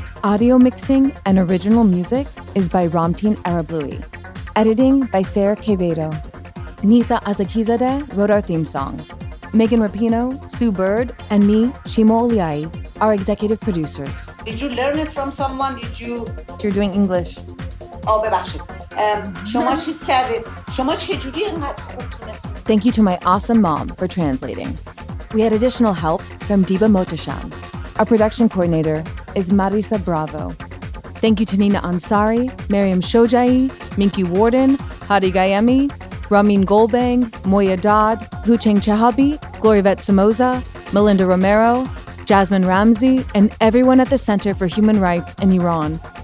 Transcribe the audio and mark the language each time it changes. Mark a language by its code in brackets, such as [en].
[en] Audio mixing and original music is by Ramtin Arablui. Editing by Sarah Quevedo. Nisa Azakizadeh wrote our theme song. Megan Rapino, Sue Bird, and me, Shima Olyai, are executive producers. Did you learn it from someone? Did you... You're doing English. [fa] Oh, ببخشید. شما چیز کردید؟ شما چجوری اینقدر خوبتونست؟ [en] Thank you to my awesome mom for translating. We had additional help from Deba Motisham. Our production coordinator is Marisa Bravo. Thank you to Nina Ansari, Mariam Shojai, Minky Warden, Hadi Gayemi, Ramin Golbang, Moya Dodd, Hucheng Chahabi, Gloria Vet Somoza, Melinda Romero, Jasmine Ramsey, and everyone at the Center for Human Rights in Iran.